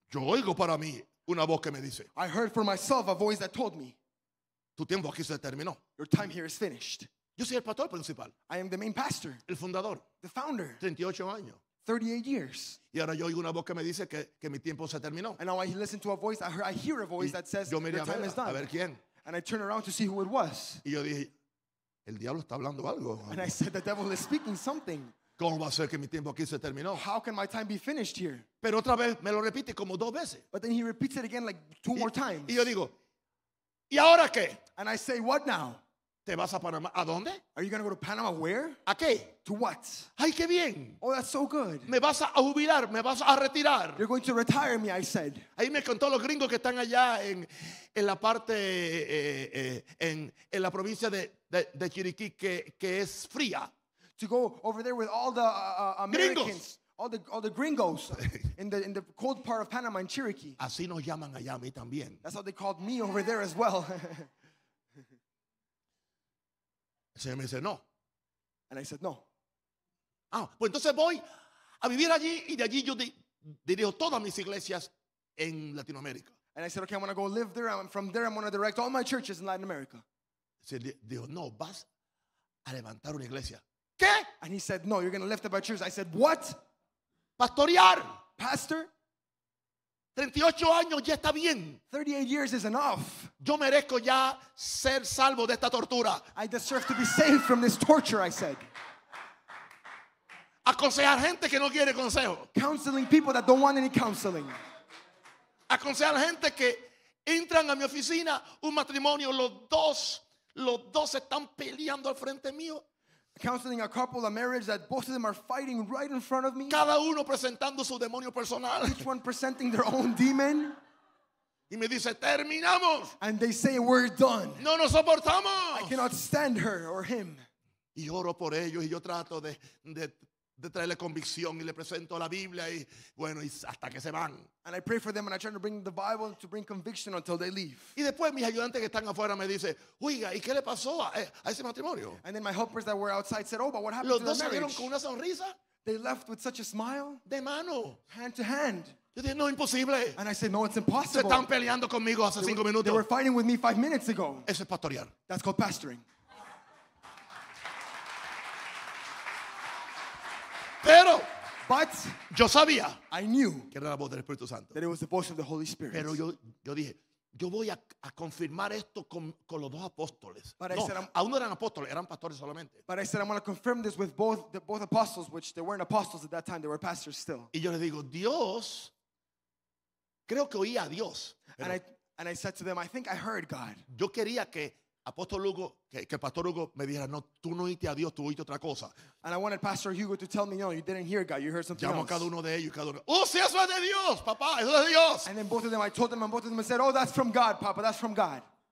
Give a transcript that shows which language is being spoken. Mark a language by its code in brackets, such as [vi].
[es] Yo oigo para mí una voz que me dice. [en] I heard for myself a voice that told me. [es] Tu tiempo aquí se terminó. [en] Your time here is finished. [es] Yo soy el pastor principal. [en] I am the main pastor. [es] El fundador. [en] The founder. [es] 38 años. [en] 38 years. [es] Y ahora yo oigo una voz que me dice que mi tiempo se terminó. [en] And now I listen to a voice. I hear a voice [es] y [en] that says your time is done. [es] A ver quién. [en] And I turn around to see who it was. [es] Y yo dije, el diablo está hablando algo. [en] And I said the devil is speaking something. [es] ¿Cómo va a ser que mi tiempo aquí se terminó? [en] How can my time be finished here? [es] Pero otra vez me lo repite como dos veces. [en] But then he repeats it again like two more times. [es] Y yo digo, ¿y ahora qué? [en] And I say, what now? [es] ¿Te vas a Panamá? ¿A dónde? [en] Are you going to go to Panama where? [es] ¿A qué? [en] To what? [es] ¡Ay, qué bien! [en] Oh, that's so good. [es] ¿Me vas a jubilar? ¿Me vas a retirar? [en] You're going to retire me, I said. [es] Ahí me contó los gringos que están allá en la parte, en la provincia de Chiriquí, que es fría. [en] To go over there with all the Americans, gringos. all the gringos in the cold part of Panama in Chiriquí. [es] Así nos llaman allá a mí también. [en] That's how they called me over there as well. [es] El Señor me dice no. [en] And I said no. [es] Ah, pues entonces voy a vivir allí y de allí yo dirijo todas mis iglesias en Latinoamérica. [en] And I said okay, I'm going to go live there and from there I'm going to direct all my churches in Latin America. [es] Se dijo no, vas a levantar una iglesia. ¿Qué? [en] And he said, no, you're going to lift up a church. I said, what? [es] Pastorear. [en] Pastor? [es] 38 años ya está bien. [en] 38 years is enough. [es] Yo merezco ya ser salvo de esta tortura. [en] I deserve to be saved from this torture, I said. [es] Aconsejar gente que no quiere consejo. [en] Counseling people that don't want any counseling. [es] Aconsejar gente que entran a mi oficina, un matrimonio, los dos están peleando al frente mío. [en] Counseling a couple, a marriage that both of them are fighting right in front of me. [es] Cada uno presentando su demonio personal. [en] Each one presenting their own demon. [es] Y me dice, terminamos. [en] And they say, we're done. [es] No nos soportamos. [en] I cannot stand her or him. [es] Y oro por ellos y yo trato de traerle convicción y le presento la Biblia y bueno, y hasta que se van. [en] And I pray for them and I try to bring the Bible to bring conviction until they leave. [es] Y después mis ayudantes que están afuera me dice, "Oiga, ¿y qué le pasó a ese matrimonio?" [en] And then my helpers that were outside said, "Oh, but what happened [es] los [en] to the marriage?" [es] Los dos salieron con una sonrisa. [en] They left with such a smile. [es] De mano. [en] Hand to hand. [es] Yo dije, no, imposible. [en] And I said, no, it's impossible. [es] Se están peleando conmigo hace 5 minutos. [en] They were fighting with me 5 minutes ago. [es] Eso es pastorear. [en] That's called pastoring. [es] Pero, [en] but [es] yo sabía, [en] I knew [es] que era la voz del Espíritu Santo. [en] That it was the voice of the Holy Spirit. [es] Pero yo dije, yo voy a confirmar esto con los dos apóstoles. Aún no eran apóstoles, eran pastores solamente. [en] But I said, I'm going to confirm this with both apostles, which they weren't apostles at that time, they were pastors still. [es] Y yo le digo, Dios, creo que oía a Dios. [en] And I said to them, I think I heard God. [es] Yo quería que Apóstol Hugo, que Pastor Hugo me dijera, no, tú no oíste a Dios, tú oíste otra cosa. [en] And I wanted Pastor Hugo to tell me, no, you didn't hear God, you heard something else. [es] Llamo a cada uno de ellos, cada uno. Oh, sí, eso es de Dios, papá, eso es de Dios. [en] And then both of them, I told them, and both of them said, oh, that's from God, papa, that's from God.